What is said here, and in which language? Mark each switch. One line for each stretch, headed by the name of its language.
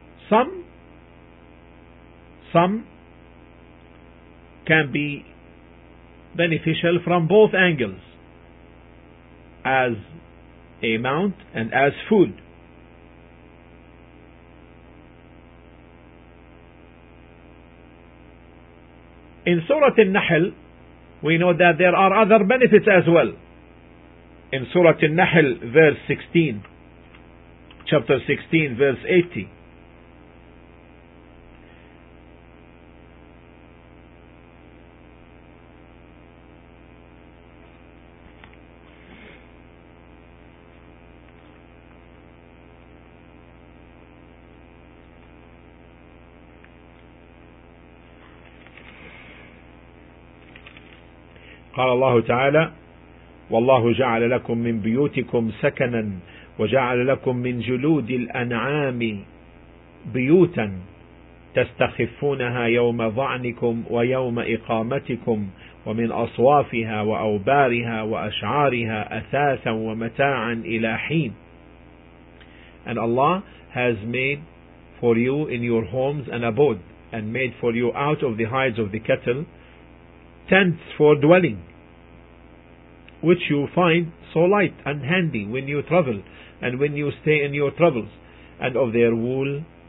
English: Some can be beneficial from both angles, as a mount and as food. In Surah An-Nahl, we know that there are other benefits as well. In Surah An-Nahl,
Arabic: قال الله تعالى: والله جعل لكم من بيوتكم سكنا وجعل لكم من جلود الأنعام بيوتا تستخفونها يوم ظعنكم ويوم إقامتكم ومن أصوافها وأوبارها وأشعارها أثاثا ومتاعا إلى حين.
English: And Allah has made for you in your homes an abode, and made for you out of the hides of the cattle tents for dwelling, which you find so light and handy when you travel and when you stay in your travels, and of their wool,